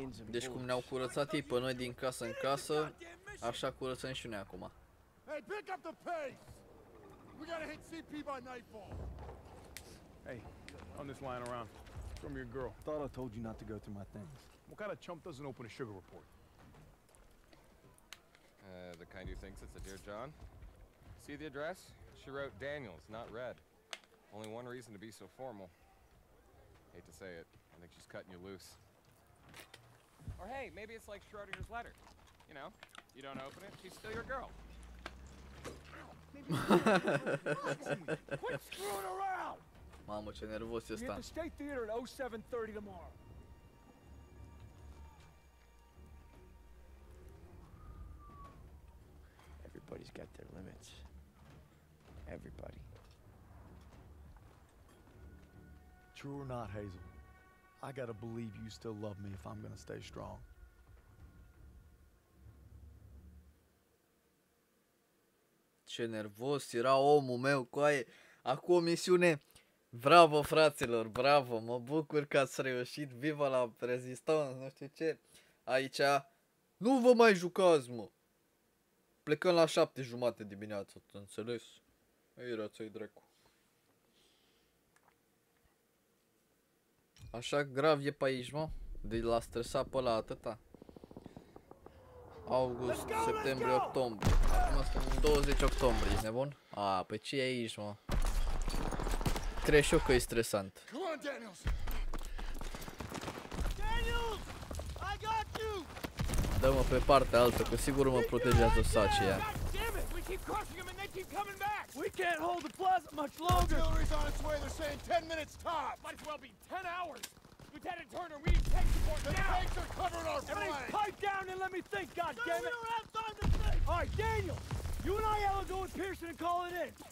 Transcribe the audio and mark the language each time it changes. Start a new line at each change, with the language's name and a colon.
Romanian: Deci cum ne-au curățat ei pe noi din casă în casă, așa curățăm și noi acum.
English: Hey, pick up the pace. We gotta hit CP by nightfall. Hey, on this line around from your girl. Thought I told you not to go through my things. What kind of chump doesn't open a sugar report? The kind who thinks it's a dear John. See the address? She wrote Daniels, not Red. Only one reason to be so formal. Hate to say it, I think she's cutting you loose. Or hey, maybe it's like Schrodinger's letter. You know, you don't open it, she's still your girl. Quit screwing around!
Romanian: Mamă, ce nervos e ăsta.
English: We're at the State Theater at 07:30 tomorrow. Everybody's got their limits. Everybody. True or not, Hazel? I gotta believe you still love me if I'm gonna stay strong.
Romanian: Ce nervos era omul meu, coaie. Acum o misiune. Bravo, fraților, bravo. Mă bucur că ați reușit. Viva la Rezistență, nu știu ce. Aici. Nu vă mai jucați, mă. Plecăm la 7:30 dimineața, înțeles? Erați-i dracu. Așa grav e pe aici, mă? De l-a stresat pe ăla atâta? August,
English: let's go,
Romanian: septembrie, let's go! Octombrie. Acum suntem 20 octombrie, ești nebun? A, pe ce e aici, mă? Cred și eu că e stresant.
English: Come on, Daniels! Daniels! I got you!
Romanian: Dă-mă pe partea altă, că sigur mă protejează sacii aia.
English: We keep crushing them and they keep coming back. We can't hold the plaza much longer. Artillery's on its way. They're saying 10 minutes top. Might as well be 10 hours. Lieutenant Turner, we need tank support now. The tanks are covering our flank. Everybody pipe down and let me think, goddammit. We don't have time to think. All right, Daniel, you and I have to go with Pearson and call it in.